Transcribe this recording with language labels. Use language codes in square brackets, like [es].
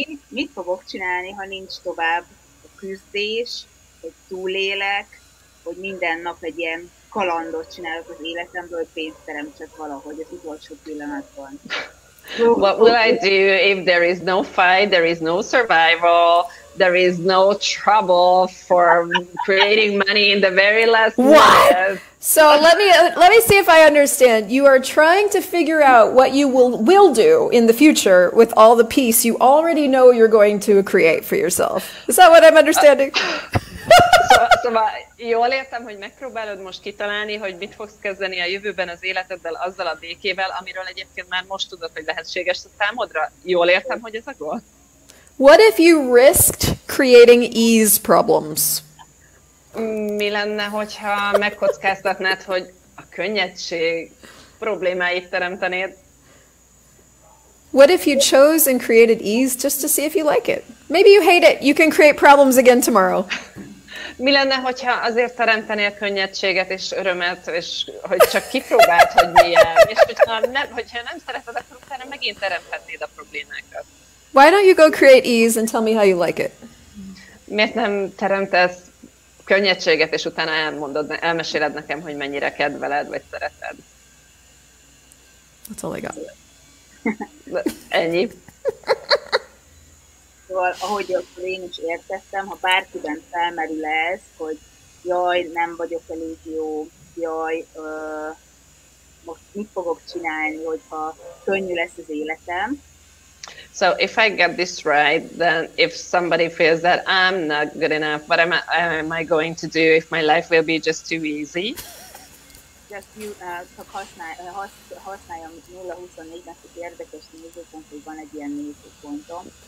[hu] Mit fogok csinálni, ha nincs tovább a küzdés, hogy túlélek, hogy minden nap egy ilyen kalandot csinálok az életemből, pénzt teremtsek valahogy az utolsó pillanatban? [en] What will I do if there is no fight, there is no survival, there is no trouble for creating money in the very last minute? What? So let me see if I understand. You are trying to figure out what you will do in the future with all the peace you already know you're going to create for yourself. Is that what I'm understanding? [hu] Szóval jól értem, hogy megpróbálod most kitalálni, hogy mit fogsz kezdeni a jövőben az életeddel, azzal a békével, amiről egyébként már most tudod, hogy lehetséges a számodra. Jól értem, hogy ez a gól? [en] What if you risked creating ease problems? [hu] Mi lenne, hogyha megkockáztatnád, hogy a könnyedség problémáit teremtenéd? [en] What if you chose and created ease just to see if you like it? Maybe you hate it. You can create problems again tomorrow. [hu] Mi lenne, hogyha azért teremtenél könnyedséget és örömet, és hogy csak kipróbáld, hogy milyen, és hogyha nem szereted, akkor utána megint teremthetnéd a problémákat. [en] Why don't you go create ease and tell me how you like it? [hu] Miért nem teremtesz könnyedséget, és utána elmeséled nekem, hogy mennyire kedveled, vagy szereted? [en] That's all I got. [hu] Ennyi. Szóval, ahogy én is értettem, ha bárkiben felmerül ez, hogy jaj, nem vagyok elég jó, jaj, most mit fogok csinálni, hogyha könnyű lesz az életem. [en] So if I get this right, then if somebody feels that I'm not good enough, what am I going to do if my life will be just too easy? Just you, [hu] csak használjam 0-24-nek, hogy érdekes nézőpont, hogy van egy ilyen nézőpontom.